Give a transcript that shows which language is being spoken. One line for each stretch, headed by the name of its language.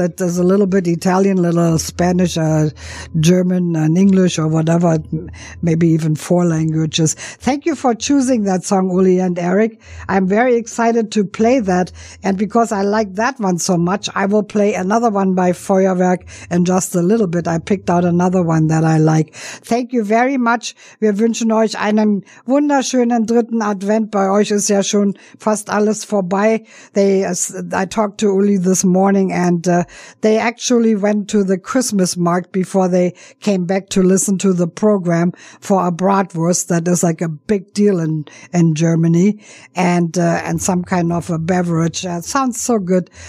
English: It is a little bit Italian, a little Spanish, German, and English, or whatever, maybe even four languages. Thank you for choosing that song, Uli and Eric. I'm very excited to play that, and because I like that one so much, I will play another one by Feuerwerk in just a little bit. I picked out another one that I like. Thank you very much.
German: Wir wünschen euch einen wunderschönen dritten Advent. Bei euch ist ja schon fast alles vorbei.
English: I talked to Uli this morning and they actually went to the Christmas market before they came back to listen to the program for a bratwurst. That is like a big deal in Germany, and some kind of a beverage. It sounds so good.